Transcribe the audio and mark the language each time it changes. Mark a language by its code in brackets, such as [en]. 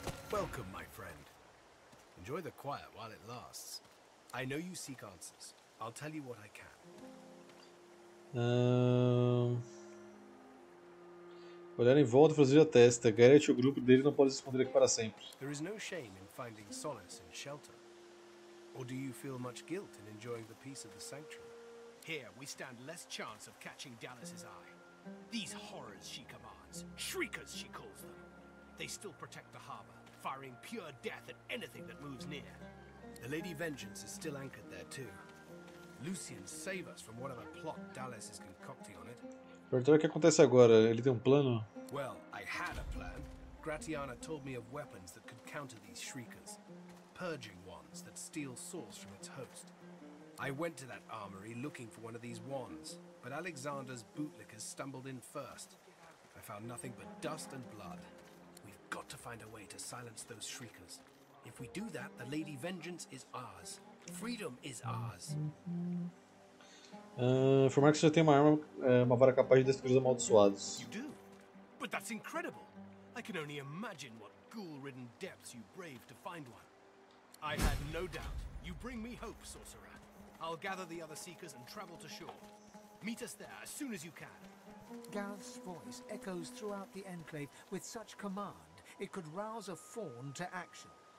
[en] Welcome, my friend. Enjoy the quiet while it lasts. I know you seek answers. I'll tell you what I can. [pt] Olhar em volta e fazer a testa. Garrett e o grupo dele não podem se esconder aqui para sempre. [en] There is no shame in finding solace and shelter. Or do you feel much guilt in enjoying the peace of the sanctuary? Here, we stand less chance of catching Dallas's eye. These horrors she commands, shriekers she calls them. They still protect the harbor, firing pure death at anything that moves near. The Lady Vengeance is still anchored there too. Lucian, save us from whatever plot Dallas is concocting on it. Perguntar o que acontece agora, ele tem um plano? Well, I had a plan. Gratiana told me of weapons that could counter these shriekers. Purging wands that steal souls from its host. I went to that armory looking for one of these wands, but Alexander's bootlickers stumbled in first. I found nothing but dust and blood. We've got to find a way to silence those shriekers. If we do that, the Lady Vengeance is ours. Freedom is ours. [pt] Formar que você tem uma arma, uma vara capaz de destruir os amaldiçoados. [en] You do? But that's incredible. I can only imagine what ghoul-ridden depths you braved to find one. I had no doubt. You bring me hope, sorcerer. I'll gather the other seekers and travel to shore. Meet us there as soon as you can. Garth's voice echoes throughout the enclave with such command, it could rouse a fawn to action.